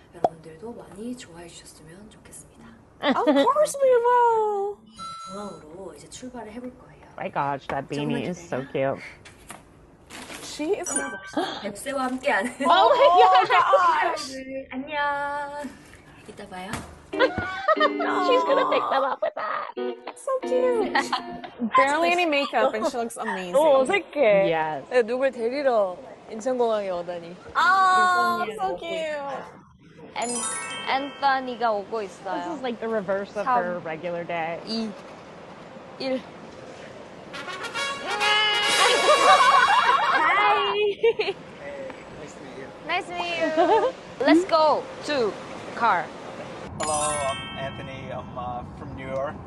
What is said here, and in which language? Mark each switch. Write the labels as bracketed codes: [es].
[ko] 여러분들도 많이 좋아해 주셨으면 좋겠습니다. [en] Of course we will. [ko] 공항으로 이제 출발을 해볼 거예요. [en] My gosh, that beanie is so cute. She is. [ko] 뱁새와 함께하는. [en] Oh my gosh. [ko] 안녕. 이따 봐요. [en] She's gonna pick them up with that. So cute. Barely any makeup and she looks amazing. [ko] 오, 어색해. [en] Yes. [ko] 누굴 데리러 인천공항에 오다니. [en] Oh, so cute. And [ko] Anthony가 오고 있어요. [en] This is like the reverse of her regular day. 2 1 Hi. Hey, nice to meet you. Nice to meet you. Let's go to car. Hello, I'm Anthony. I'm from New York.